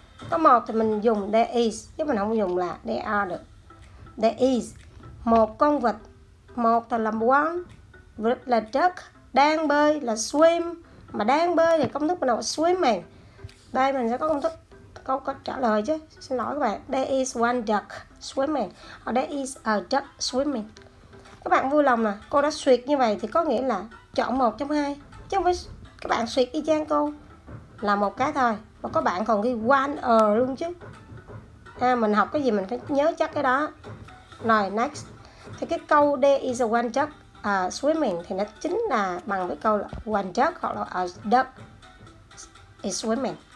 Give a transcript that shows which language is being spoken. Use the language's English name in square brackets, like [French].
[Vietnamese] Có một thì mình dùng there is, chứ mình không dùng là there are được. [English] There is [Vietnamese] một con vịt. Một thì là one. Vịt là duck. Đang bơi là swim. Mà đang bơi thì công thức mình là swimming. Đây mình sẽ có công thức, câu có trả lời chứ. Xin lỗi các bạn. [English] There is one duck swimming. Or there is a duck swimming. [Vietnamese] Các bạn vui lòng nè. Cô đã suyệt như vậy thì có nghĩa là chọn một trong hai. Chứ không phải các bạn suyệt y chang cô. Là một cái thôi. Và có bạn còn ghi one a luôn chứ. À, mình học cái gì mình phải nhớ chắc cái đó. Rồi next. Thì cái câu [English] there is a one duck swimming [Vietnamese] thì nó chính là bằng với câu là [English] one duck [Vietnamese] hoặc là [English] a duck is swimming.